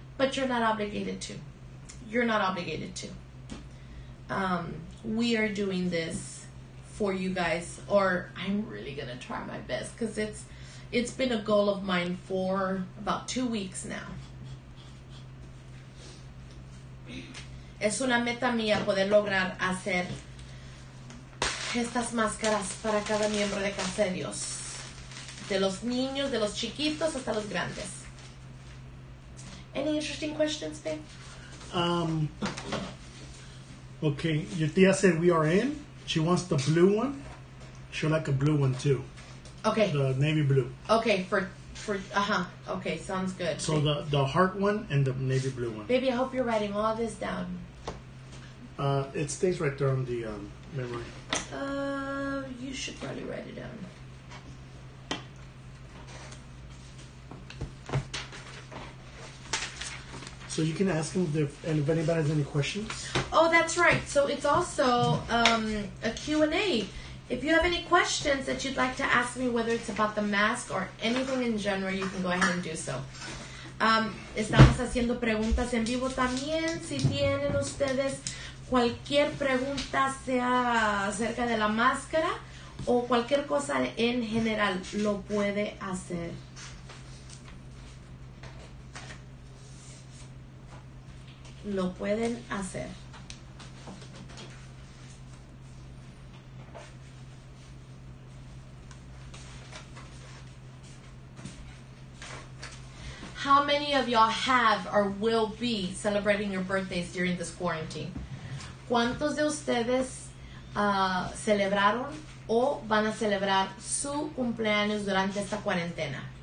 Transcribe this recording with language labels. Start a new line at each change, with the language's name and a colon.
English: But you're not obligated to. You're not obligated to. We are doing this for you guys, or I'm really going to try my best, because it's been a goal of mine for about 2 weeks now.
Spanish: Es una meta mía poder lograr hacer estas máscaras para cada miembro de Casa de Dios. De los niños, de los chiquitos, hasta los grandes.
English: Any interesting questions, babe? Okay, your tia said we are in. She wants the blue one. She'll like a blue one, too. Okay. The navy blue. Okay, okay, sounds good. So the heart one and the navy blue one. Baby, I hope you're writing all this down. It stays right there on the memory. You should probably write it down. So you can ask them if anybody has any questions. Oh, that's right. So it's also a Q&A. If you have any questions that you'd like to ask me, whether it's about the mask or anything in general, you can go ahead and do so.
Spanish: Estamos haciendo preguntas en vivo también. Si tienen ustedes cualquier pregunta, sea acerca de la máscara o cualquier cosa en general, lo puede hacer. Lo pueden hacer.
English: How many of y'all have or will be celebrating your birthdays during this quarantine?
Spanish: ¿Cuántos de ustedes celebraron o van a celebrar su cumpleaños durante esta cuarentena?